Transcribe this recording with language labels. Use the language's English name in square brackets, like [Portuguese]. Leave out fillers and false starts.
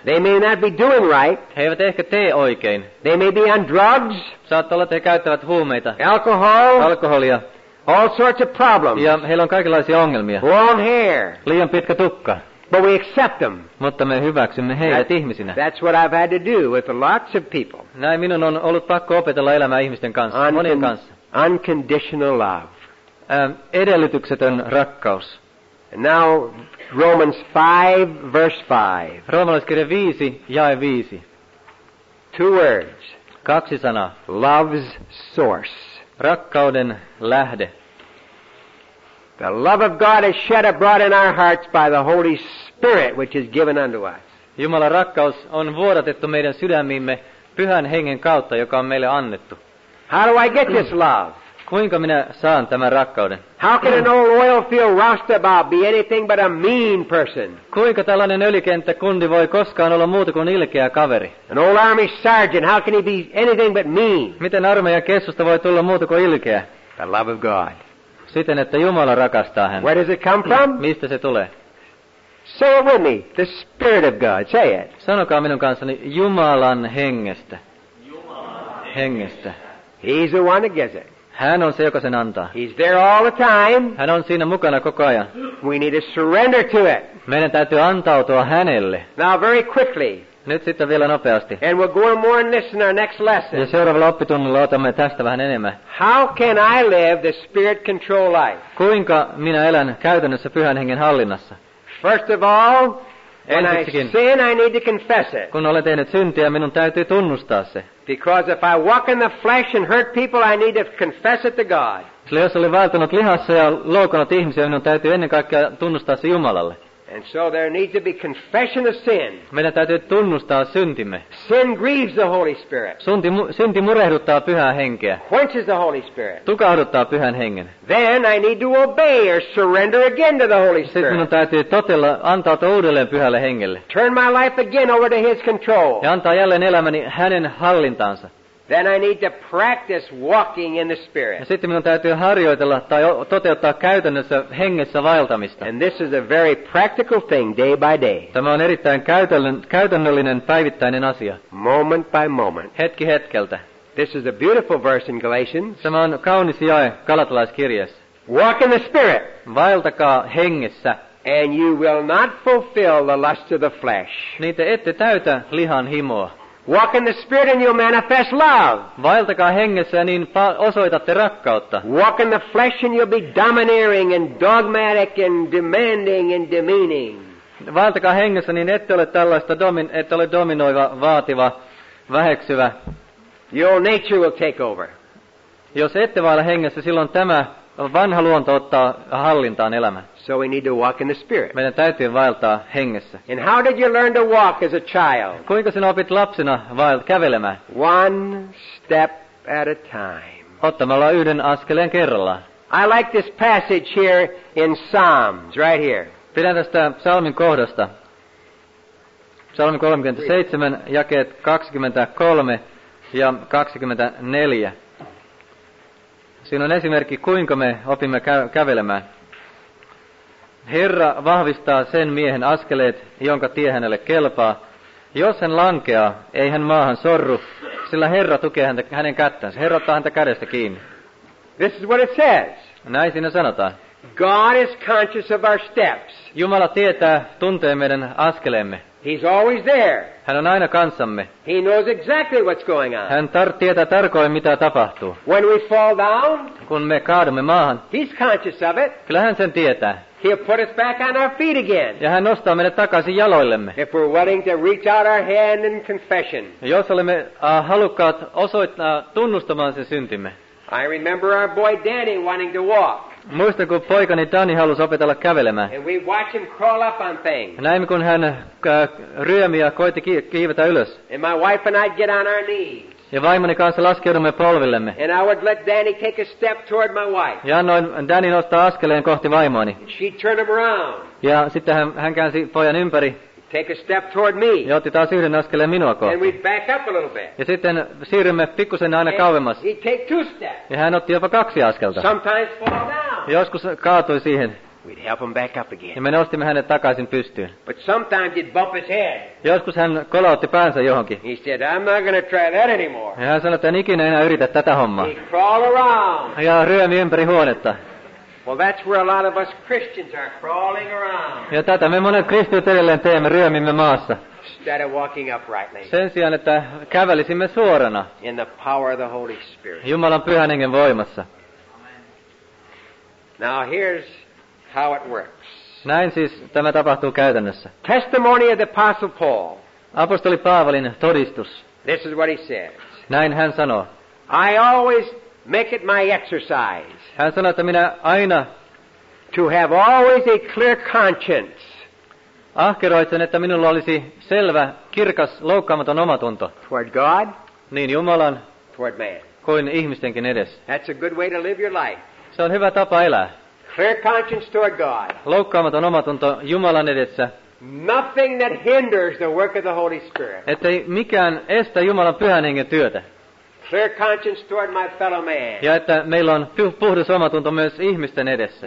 [English] They may not be doing right. [Finnish] He eivät ehkä tee oikein. [English] They may be on drugs. [Finnish] Saattaa olla, että he käyttävät huumeita. [English] Alkoholia. All sorts of problems. [Finnish] Ja heillä on kaikenlaisia ongelmia. [English] Long hair. [Finnish] Liian pitkä tukka. [English] But we accept them. [Finnish] Mutta me hyväksymme heidät ihmisinä. [English] That's what I've had to do with lots of people. [Finnish] Näin minun on ollut pakko opetella elämään ihmisten kanssa, monien kanssa. [English] unconditional love. [Finnish] Edellytyksetön rakkaus. [English] Now Romans 5 verse 5. [Finnish] Roomalaiskirje 5 jae 5. [English] Two words. [Finnish] Kaksi sanaa. [English] Love's source. [Finnish] Rakkauden lähde. [English] The love of God is shed abroad in our hearts by the Holy Spirit which is given unto us. [Finnish] Jumalan rakkaus on vuodatettu meidän sydämiimme Pyhän Hengen kautta, joka on meille annettu. [English] How do I get this love? [Finnish] Kuinka minä saan tämän rakkauden? [English] How can an old oil field roustabout be anything but a mean person? [Finnish] Kuinka tällainen ylikenttä kundi voi koskaan olla muuta kuin ilkeä kaveri? [English] An old army sergeant, how can he be anything but mean? [Finnish] Miten armeijan kessusta voi tulla muuta kuin ilkeä? [English] The love of God. [Finnish] Siten, että Jumala rakastaa hän. [English] Where does it come from? [Finnish] Mistä se tulee? [English] Say it with me. The Spirit of God. Say it. [Finnish] Sanokaa minun kanssani Jumalan hengestä. Jumalan hengestä. [English] He's the one that gives it. [Finnish] Hän on se, joka sen antaa. [English] He's there all the time. [Finnish] Hän on siinä mukana koko ajan. [English] We need to surrender to it. [Finnish] Meidän täytyy antautua hänelle. [English] Now very quickly. [Finnish] Nyt sitten vielä nopeasti. [English] And we'll go more on this in our next lesson. [Finnish] Ja seuraavalla oppitunnilla otamme tästä vähän enemmän. [English] How can I live the Spirit control life? [Finnish] Kuinka minä elän käytännössä Pyhän Hengen hallinnassa? [English] First of all, when I sin, I need to confess it. [Finnish] Kun olen tehnyt syntiä, minun täytyy tunnustaa se. [English] Because if I walk in the flesh and hurt people, I need to confess it to God. [Finnish] Sillä jos olen vaeltanut lihassa ja loukannut ihmisiä, minun täytyy ennen kaikkea tunnustaa se Jumalalle. [English] And so there needs to be confession of sin. [Finnish] Meidän täytyy tunnustaa syntimme. [English] Sin grieves the Holy Spirit. [Finnish] Synti murehduttaa Pyhää Henkeä. [English] Quenches the Holy Spirit. [Finnish] Tukahduttaa Pyhän Hengen. [English] Then I need to obey or surrender again to the Holy Spirit. [Finnish] Sitten minun täytyy totella antautua uudelleen Pyhälle Hengelle. [English] Turn my life again over to His control. [Finnish] Ja antaa jälleen elämäni Hänen hallintaansa. [English] Then I need to practice walking in the Spirit. [Finnish] Ja sitten minun täytyy harjoitella tai toteuttaa käytännössä hengessä vaeltamista. [English] And this is a very practical thing day by day. [Finnish] Tämä on erittäin käytännöllinen päivittäinen asia. [English] Moment by moment. [Finnish] Hetki hetkeltä. [English] This is a beautiful verse in Galatians. [Finnish] Tämä on kaunis jae Galatalaiskirjassa. [English] Walk in the Spirit. [Finnish] Vaeltakaa hengessä. [English] And you will not fulfill the lust of the flesh. [Finnish] Niin te ette täytä lihan himoa. [English] Walk in the Spirit and you'll manifest love. [Finnish] Vaeltakaa hengessä niin osoitatte rakkautta. [English] Walk in the flesh and you'll be domineering and dogmatic and demanding and demeaning. [Finnish] Vaeltakaa hengessä niin ette ole tällaista ette ole dominoiva, vaativa, väheksyvä. [English] Your nature will take over. [Finnish] Jos ette vaella hengessä, silloin tämä vanha luonto ottaa hallintaan elämän. [English] So we need to walk in the Spirit. [Finnish] Meidän täytyy vaeltaa hengessä. [English] And how did you learn to walk as a child? [Finnish] Kuinka sinä opit lapsena kävelemään? [English] One step at a time. [Finnish] Ottamalla yhden askeleen kerrallaan. [English] I like this passage here in Psalms, right here. [Finnish] Pidän tästä psalmin kohdasta. Psalmi 37, jakeet 23 ja 24. Siinä on esimerkki, kuinka me opimme kävelemään. Herra vahvistaa sen miehen askeleet, jonka tie hänelle kelpaa. Jos hän lankeaa, ei hän maahan sorru, sillä Herra tukee häntä, hänen kättänsä. Herra ottaa häntä kädestä kiinni. [English] This is what it says. [Finnish] Näin siinä sanotaan. [English] God is conscious of our steps. [Finnish] Jumala tietää, tuntee meidän askeleemme. [English] He's always there. [Finnish] Hän on aina kanssamme. [English] He knows exactly what's going on. [Finnish] Hän tietää tarkoin, mitä tapahtuu. [English] When we fall down, [Finnish] kun me kaadumme maahan, [English] he's conscious of it. [Finnish] Kyllä hän sen tietää. [English] He'll put us back on our feet again. [Finnish] Ja hän nostaa meidät takaisin jaloillemme. [English] If we're willing to reach out our hand in confession. [Finnish] Jos olemme halukkaat osoittaa tunnustamaan sen syntimme. [English] I remember our boy Danny wanting to walk. [Finnish] Muistan, kun poikani Danny halusi opetella kävelemään. [English] And we watch him crawl up on things. [Finnish] Näimme, kun hän ryömi ja koitti kiivetä ylös. [English] And my wife and I'd get on our knees. [Finnish] Ja vaimoni kanssa laskeudumme polvillemme. [English] And I would let Danny take a step toward my wife. [Finnish] Ja annoin Danny nostaa askeleen kohti vaimoani. [English] And she'd turn him around. [Finnish] Ja sitten hän käänsi pojan ympäri. [English] Take a step toward me. [Finnish] Ja otti taas yhden askeleen minua kohti. [English] And we'd back up a little bit. [Finnish] Ja sitten siirrymme pikkusen aina kauemmas. [English] He'd take two steps. [Finnish] Ja hän otti jopa kaksi askelta. [English] Sometimes fall down. [Finnish] Joskus kaatui siihen. [English] We'd help him back up again. [Finnish] Ja me nostimme hänet takaisin pystyyn. [English] But sometimes he'd bump his head. [Finnish] Joskus hän kolautti päänsä johonkin. [English] He said, I'm not gonna try that anymore. [Finnish] Ja hän sanoi, että en ikinä enää yritä tätä hommaa. [English] He'd crawl around. [Finnish] Ja ryömi ympäri huonetta. [English] Well, that's where a lot of us Christians are crawling around. [Finnish] Ja tätä me monet kristityt edelleen teemme, ryömimme maassa. [English] instead of walking uprightly. [Finnish] Sen sijaan, että kävelisimme suorana. [English] In the power of the Holy Spirit. [Finnish] Jumalan pyhän hengen voimassa. [English] Now here's how it works. [Finnish] Näin siis tämä tapahtuu käytännössä. [English] Testimony of the Apostle Paul. [Finnish] Apostoli Paavalin todistus. [English] This is what he says. [Finnish] Näin hän sanoo. [English] I always make it my exercise. [Finnish] Hän sanoo, että minä aina [English] to have always a clear conscience. [Finnish] Ahkeroitsen, että minulla olisi selvä, kirkas, loukkaamaton omatunto. [English] Toward God, [Finnish] niin Jumalan [English] toward man. [Finnish] Kuin ihmistenkin edes. [English] That's a good way to live your life. [Finnish] Se on hyvä tapa elää. [English] Clear conscience toward God. [Finnish] Loukkaamaton omatunto Jumalan edessä. [English] Nothing that hinders the work of the Holy Spirit. [Finnish] Että ei mikään estä Jumalan pyhän hengen työtä. [English] Clear conscience toward my fellow man. [Finnish] Ja että meillä on puhdas omatunto myös ihmisten edessä.